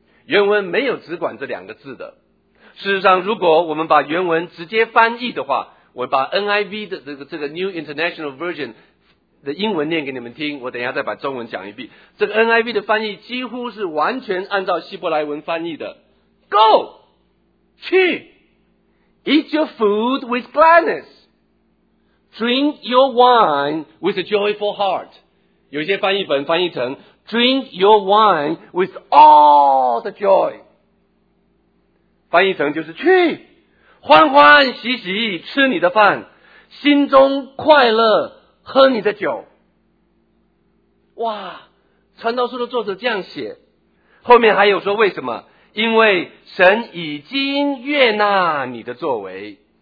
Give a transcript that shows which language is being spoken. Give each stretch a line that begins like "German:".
Chinese: 原文没有只管这两个字的。事实上如果我们把原文直接翻译的话，我把 NIV 的这个 New International Version 的英文念给你们听，我等一下再把中文讲一遍。这个 NIV 的翻译几乎是完全按照希伯来文翻译的， Go 去
English: Eat your food with gladness. Drink your wine with a joyful heart.
Chinese: 有些翻译本翻译成
English: Drink your wine with all the joy.
Chinese: 翻译成就是去欢欢喜喜吃你的饭，心中快乐喝你的酒。哇，传道书的作者这样写，后面还有说为什么？因为神已经悦纳你的作为。